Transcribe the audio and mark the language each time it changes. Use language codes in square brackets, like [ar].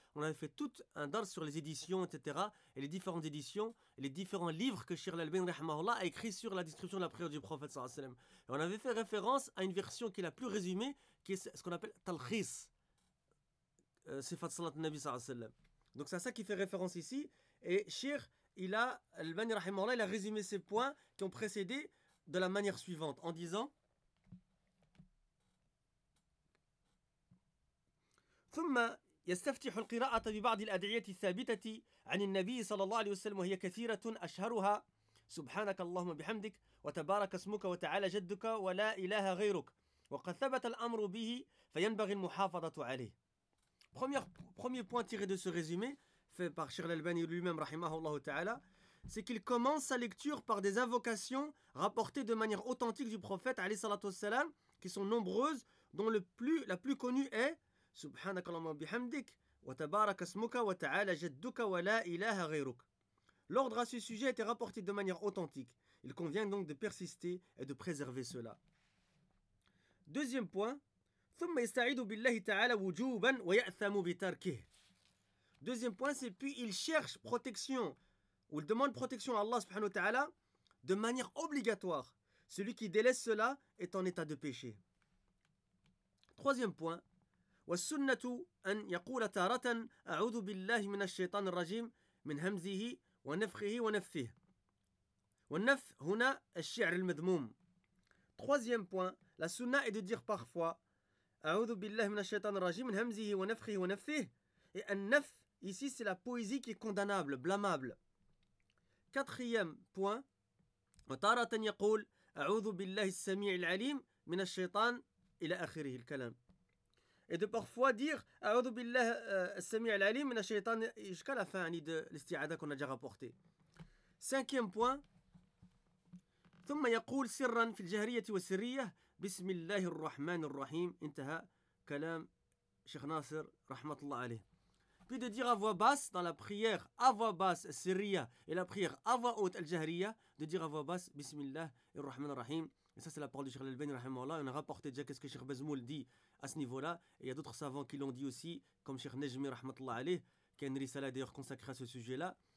[fr] On avait fait tout un dars sur les éditions, etc. Et les différentes éditions, et les différents livres que Cheikh Al-Albani rahmahullah a écrit sur la description de la prière du prophète sallallahu alayhi wa sallam. Et on avait fait référence à une version qui est la plus résumée, qui est ce qu'on appelle talkhis. Sifat salat al-Nabi sallallahu alayhi wa sallam. Donc c'est à ça qu'il fait référence ici. Et Cheikh, il a, Al-Albani rahmahullah, il a résumé ces points qui ont précédé de la manière suivante, en disant: [ar] ثم يستفتح القراءة ببعض الأدعية الثابتة عن النبي صلى الله عليه وسلم وهي كثيرة أشهرها سبحانك اللهم بحمدك وتبارك اسمك وتعالى جدك ولا إله غيرك وقد ثبت الأمر به فينبغي المحافظة عليه. [fr] Premier point tiré de ce résumé fait par Cheikh Al-Albani lui-même rahimahullah ta'ala, c'est qu'il commence sa lecture par des invocations rapportées de manière authentique du prophète alayhi salatu wassalam, qui sont nombreuses, dont la plus connue est [ar] سبحانك اللهم وبحمدك وتبارك اسمك وتعالى جدك ولا إله غيرك. [fr] L'ordre à ce sujet a été rapporté de manière authentique. Il convient donc de persister et de préserver cela. Deuxième point, [ar] ثم يستعيذ بالله تعالى وجوبا ويأثم بتركه. [fr] Deuxième point, c'est puis il cherche protection ou il demande protection à Allah subhanahu wa ta'ala de manière obligatoire. Celui qui délaisse cela est en état de péché. Troisième point, [ar] والسنة أن يقول تارة أعوذ بالله من الشيطان الرجيم من همزه ونفخه ونفثه والنف هنا الشعر المذموم. [fr] Troisième point, la sunna est de dire parfois [ar] أعوذ بالله من الشيطان الرجيم من همزه ونفخه ونفثه, [fr] et النف ici c'est la poésie qui est condamnable, blâmable. Quatrième point, [ar] وتارة يقول أعوذ بالله السميع العليم من الشيطان إلى آخره الكلام, [fr] et de parfois dire [ar] a'udhu billah as-sami' al-alim min ash-shaytan [fr] jusqu'à la fin de l'isti'ada qu'on a déjà rapporté. Cinquième point, [ar] ثم يقول سرا في الجهريه والسريه بسم الله الرحمن الرحيم انتهى كلام شيخ ناصر رحمه الله عليه. [fr] Puis de dire à voix basse dans la prière à voix basse sirriya et la prière à voix haute al-jahriya, de dire à voix basse [ar] بسم الله الرحمن الرحيم. [fr] Et ça, c'est la parole du Cheikh Al-Albani, rahimahullah. On a rapporté déjà qu'est-ce que Cheikh Bazmoul dit à ce niveau-là. Et il y a d'autres savants qui l'ont dit aussi, comme Cheikh Najmi, rahmatullah alayh, qui a une risala d'ailleurs consacrée à ce sujet-là.